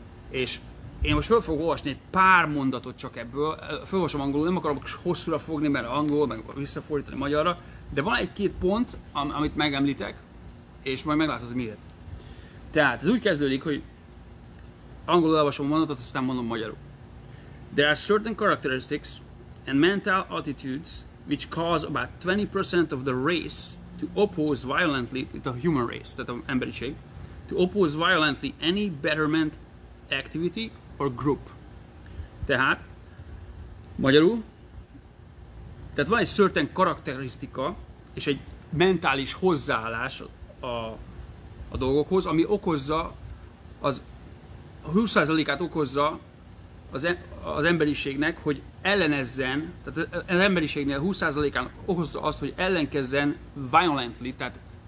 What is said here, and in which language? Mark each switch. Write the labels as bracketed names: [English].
[Hungarian] És én most fel fogok olvasni egy pár mondatot csak ebből. Felolvasom angolul, nem akarom hosszúra fogni, mert angol, meg visszafordítani magyarra. De van egy-két pont, amit megemlítek, és majd meglátod, miért. Tehát ez úgy kezdődik, hogy angolul olvasom a mondatot, aztán mondom magyarul. [English] There are certain characteristics and mental attitudes which cause about 20% of the race to oppose violently, the human race, [Hungarian] tehát az emberiség, [English] to oppose violently any betterment activity or group. [Hungarian] Tehát, magyarul, tehát van egy certain karakterisztika és egy mentális hozzáállás a dolgokhoz, ami okozza, az 20%-át okozza az emberiségnek, hogy ellenezzen, tehát az emberiségnél 20%-án okozza azt, hogy ellenkezzen violently, tehát